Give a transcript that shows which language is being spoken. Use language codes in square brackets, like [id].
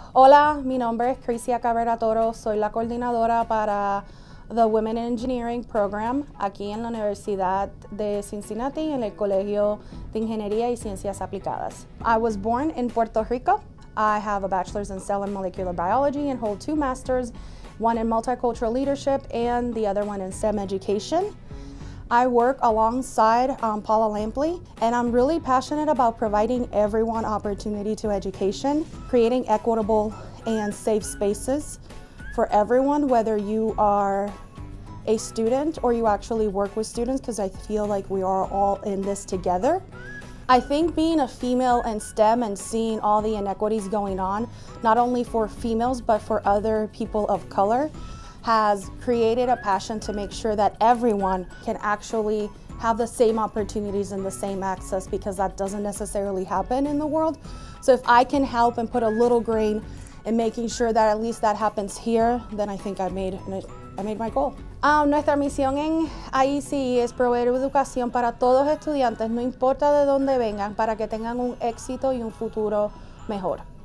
[es] Hola, mi nombre es Crisia Cabrera Toro. Soy la coordinadora para the Women in Engineering Program aquí en la Universidad de Cincinnati en el Colegio de Ingeniería y Ciencias Aplicadas. [en] I was born in Puerto Rico. I have a bachelor's in cell and molecular biology and hold two masters, one in multicultural leadership and the other one in STEM education. I work alongside Paula Lampley, and I'm really passionate about providing everyone opportunity to education, creating equitable and safe spaces for everyone, whether you are a student or you actually work with students, because I feel like we are all in this together. I think being a female in STEM and seeing all the inequities going on, not only for females, but for other people of color, has created a passion to make sure that everyone can actually have the same opportunities and the same access, because that doesn't necessarily happen in the world. So if I can help and put a little grain in making sure that at least that happens here, then I think I made my goal. [es] Nuestra misión en IECE es proveer educación para todos estudiantes, no importa de dónde vengan, para que tengan un éxito y un futuro mejor.